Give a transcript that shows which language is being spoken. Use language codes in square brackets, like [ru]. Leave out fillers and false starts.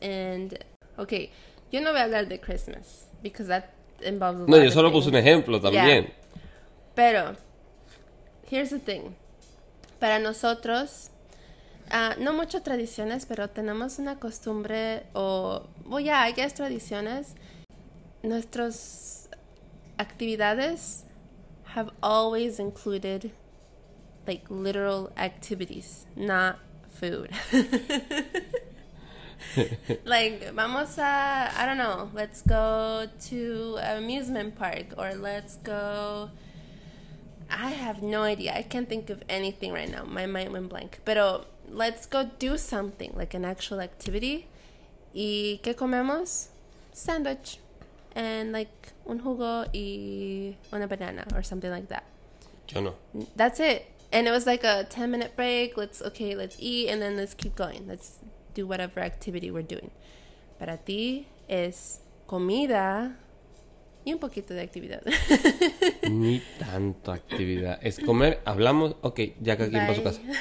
[en] And, okay, [es] yo no voy a hablar de [en] Christmas, because that involves a [es] no, [en] lot [es] yo solo [en] of things. [es] Puse un ejemplo también. [en] Yeah. Pero, here's the thing. [es] Para nosotros, no mucho tradiciones, pero tenemos una costumbre, o, [en] well, yeah, I guess [es] tradiciones. Nuestras actividades [en] have always included, like, literal activities, not food. Like, [es] vamos a, [en] I don't know, let's go to an amusement park, or let's go, I have no idea, I can't think of anything right now, my mind went blank, pero let's go do something, like an actual activity, [es] y ¿qué comemos? [en] Sandwich, and like, [es] un jugo y una banana, [en] or something like that. [es] Yo no. [en] That's it, and it was like a 10-minute break, let's, okay, let's eat, and then let's keep going, let's do whatever activity we're doing. [es] Para ti es comida y un poquito de actividad. Ni tanto actividad. Es comer, hablamos. Ok, ya que aquí va a su casa.